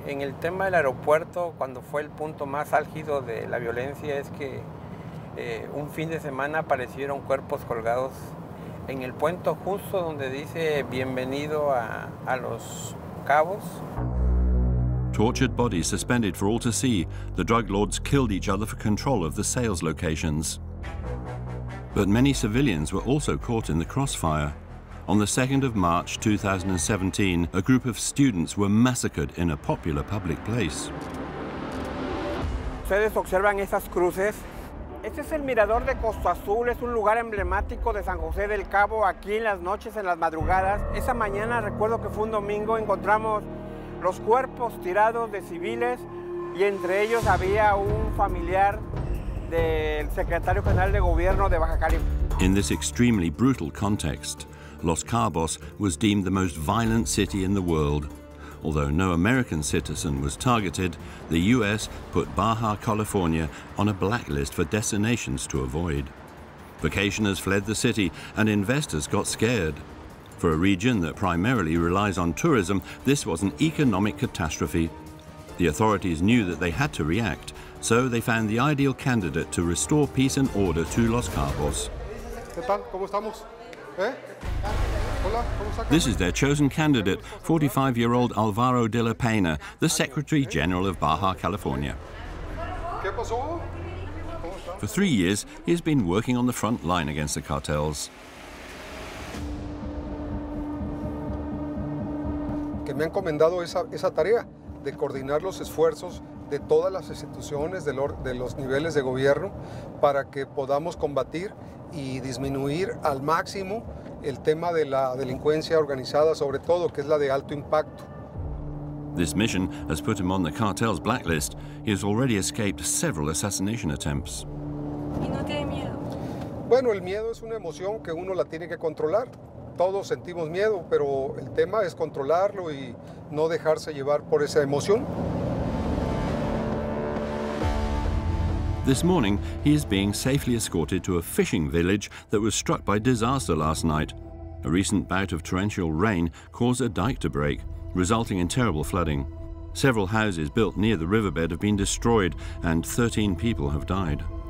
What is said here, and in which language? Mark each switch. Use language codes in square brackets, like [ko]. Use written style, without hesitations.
[es] En el tema del aeropuerto, cuando fue el punto más álgido de la violencia, es que un fin de semana aparecieron cuerpos colgados en el puente justo donde dice bienvenido a los Cabos. [en] Tortured bodies suspended for all to see. The drug lords killed each other for control of the sales locations. But many civilians were also caught in the crossfire. On the 2nd of March 2017, a group of students were massacred in a popular public place. [es] Ustedes observan esas cruces. Este es el mirador de Costa Azul, es un lugar emblemático de San José del Cabo, aquí en las noches, en las madrugadas. Esa mañana, recuerdo que fue un domingo, encontramos los cuerpos tirados de civiles y entre ellos había un familiar del secretario general de gobierno de Baja California. [en] In this extremely brutal context, Los Cabos was deemed the most violent city in the world. Although no American citizen was targeted, the US put Baja California on a blacklist for destinations to avoid. Vacationers fled the city and investors got scared. For a region that primarily relies on tourism, this was an economic catastrophe. The authorities knew that they had to react, so they found the ideal candidate to restore peace and order to Los Cabos. This is their chosen candidate, 45-year-old Alvaro de la Pena, the Secretary General of Baja California. For 3 years, he has been working on the front line against the cartels. [es] Que me han encomendado esa tarea de coordinar los esfuerzos de todas las instituciones de los niveles de gobierno para que podamos combatir y disminuir al máximo el tema de la delincuencia organizada, sobre todo, que es la de alto impacto. [en] This mission has put him on the cartel's blacklist. He has already escaped several assassination attempts. [es] ¿Y no tiene miedo? Bueno, el miedo es una emoción que uno la tiene que controlar. Todos sentimos miedo, pero el tema es controlarlo y no dejarse llevar por esa emoción. [en] This morning, he is being safely escorted to a fishing village that was struck by disaster last night. A recent bout of torrential rain caused a dike to break, resulting in terrible flooding. Several houses built near the riverbed have been destroyed, and 13 people have died.